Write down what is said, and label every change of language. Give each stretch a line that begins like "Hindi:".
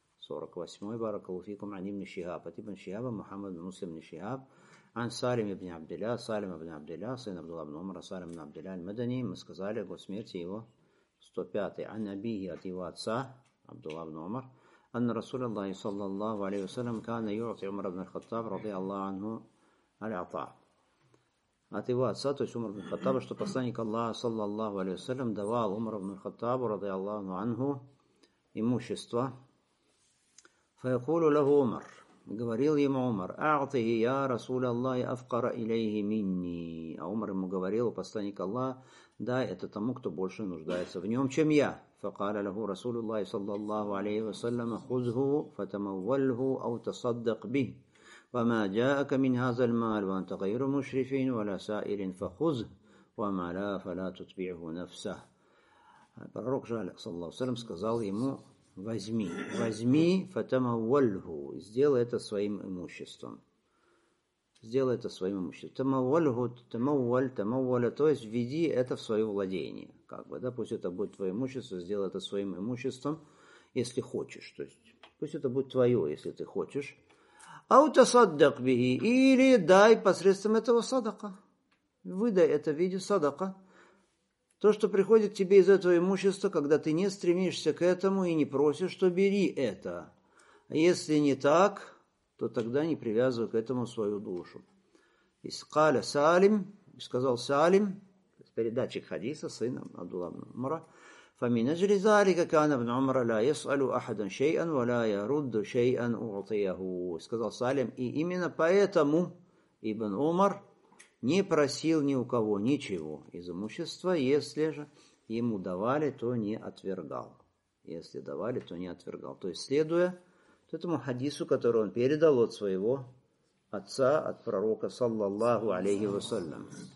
Russian: 148-й, баракалуфикум, ани ибн Шихаб, ат ибн Шихаба, Мухаммад ибн Муслим ибн Шихаб, ан Салим ибн Абдилля, Салим ибн Абдилля, сын Абдулла ибн Умара, Салим ибн Абдилля, аль-Мадани, мы сказали, год смерти его, 105-й, ан Абихи, от его отца, Абдулла ибн Умар, ан Расул Аллахи, саллаллаху алейхи вассалям,
Arabic: кана юати Умар ибн Хаттаб, ради Аллаху анху, аль-Ата.
Russian: От его отца, то есть Умар ибн Хаттаба, что посланник Аллаха, саллаллаху алейхи вассалям, давал Умар ибн Хаттабу, ради Аллаху анху, имущество.
Arabic: فيقول له عمر
Russian: говорил ему
Arabic: عمر اعطه يا رسول الله افقر اليه مني عمر
Russian: ему говорил посланник Аллаха дай это тому кто больше нуждается в нем чем я
Arabic: فقال له رسول الله صلى الله عليه وسلم خذه فتموله او تصدق به وما جاءك من هذا المال وانت غير مشرف ولا سائل فخذه وما لا فلا تتبعه نفسه пророк صلى الله عليه وسلم
Russian: сказал ему: возьми, возьми фатамавальгу, сделай это своим имуществом. Сделай это своим имуществом. Тамавальгу, тамавальгу, тамавальгу, то есть введи это в свое владение. Как бы, да, пусть это будет твое имущество, сделай это своим имуществом, если хочешь. То есть пусть это будет твое, если ты хочешь.
Arabic: Аутасаддак бихи,
Russian: или дай посредством этого садака. Выдай это в виде садака. То, что приходит тебе из этого имущества, когда ты не стремишься к этому и не просишь, то бери это. Если не так, то тогда не привязывай к этому свою душу. И сказал Салим, с передатчик хадиса, сына Абдулла ибн Умара,
Arabic: فمن أجل ذلك كان ابن عمر لا يسأل أحدا شيئا ولا يرد شيئا أعطيه.
Russian: Сказал Салим, и именно поэтому ибн Умар не просил ни у кого ничего из имущества, если же ему давали, то не отвергал. Если давали, то не отвергал. То есть, следуя этому хадису, который он передал от своего отца, от пророка, саллаллаху алейхи вассалям.